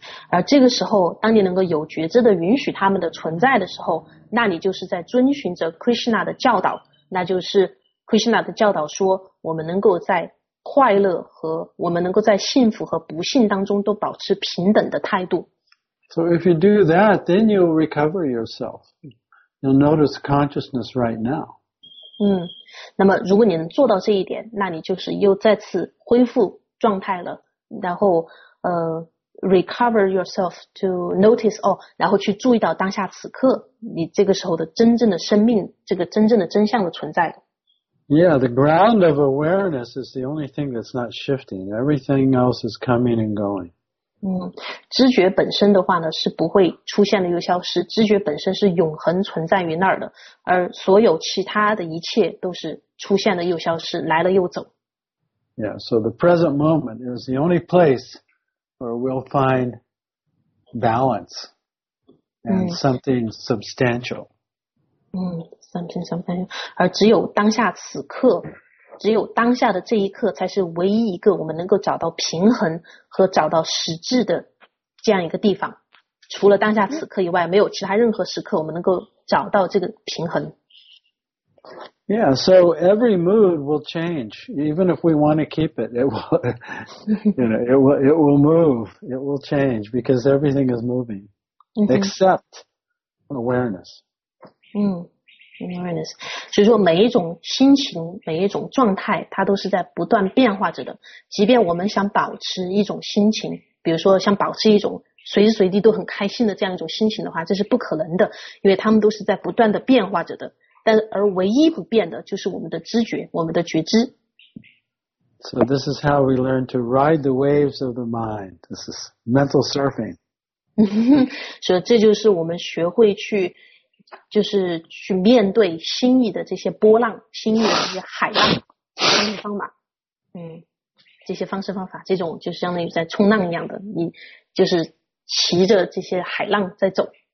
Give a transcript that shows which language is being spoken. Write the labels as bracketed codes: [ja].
[zh] 而这个时候当你能够有觉知的允许他们的存在的时候，那你就是在遵循着 Krishna 的教导，那就是 Krishna 的教导说我们能够在快乐和我们能够在幸福和不幸当中都保持平等的态度。 [en] So if you do that, then you'll recover yourself. You'll notice consciousness right now. [zh] 那么如果你能做到这一点，那你就是又再次恢复状态了，然后 [en] recover yourself to notice, [zh] 然后去注意到当下此刻，你这个时候的真正的生命，这个真正的真相的存在。 [en] Yeah, the ground of awareness is the only thing that's not shifting. Everything else is coming and going. [zh] 知觉本身的话呢是不会出现了又消失，知觉本身是永恒存在于那儿的，而所有其他的一切都是出现了又消失，来了又走。 [en] Yeah, so the present moment is the only place where we'll find balance and something substantial. Something substantial. [zh] 而只有当下此刻，只有当下的这一刻才是唯一一个我们能够找到平衡和找到实质的这样一个地方，除了当下此刻以外没有其他任何时刻我们能够找到这个平衡。 [en] Yeah, so every mood will change. Even if we want to keep it, it will move. It will change because everything is moving except awareness. Awareness. [zh] 所以说每一种心情每一种状态它都是在不断变化着的，即便我们想保持一种心情，比如说想保持一种随时随地都很开心的这样一种心情的话，这是不可能的，因为它们都是在不断的变化着的，但而唯一不变的就是我们的知觉，我们的觉知。 [en] So this is how we learn to ride the waves of the mind. This is mental surfing. [zh] 所以这就是我们学会去就是去面对心意的这些波浪，心意的这些海浪，这些方法，这些方式方法，这种就是相当于在冲浪一样的，你就是骑着这些海浪在走。